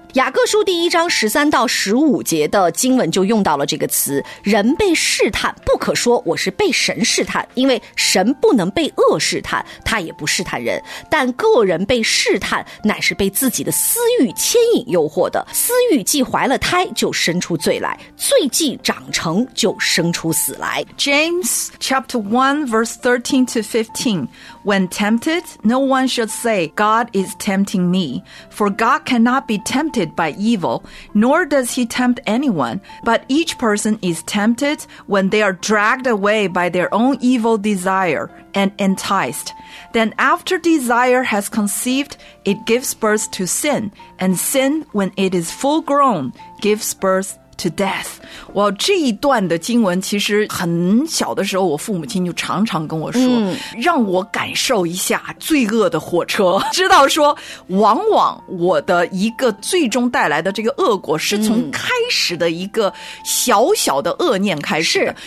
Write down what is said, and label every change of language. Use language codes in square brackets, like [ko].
[zh] 雅各书第一章13-15的经文就用到了这个词，人被试探不可说我是被神试探，因为神不能被恶试探，他也不试探人，但个人被试探乃是被自己的私欲牵引诱惑的，私欲既怀了胎就生出罪来，罪既长成就生出死来。 [en] James chapter 1 verse 13-15， When tempted, no one should say God is tempting me, for God cannot be temptedby evil, nor does he tempt anyone, but each person is tempted when they are dragged away by their own evil desire and enticed. Then after desire has conceived, it gives birth to sin, and sin, when it is full grown, gives birth to death. 哇， [zh] 这一段的经文其实很小的时候我父母亲就常常跟我说，让我感受一下罪恶的火车，知道说往往我的一个最终带来的这个恶果是从开始的一个小小的恶念开始的。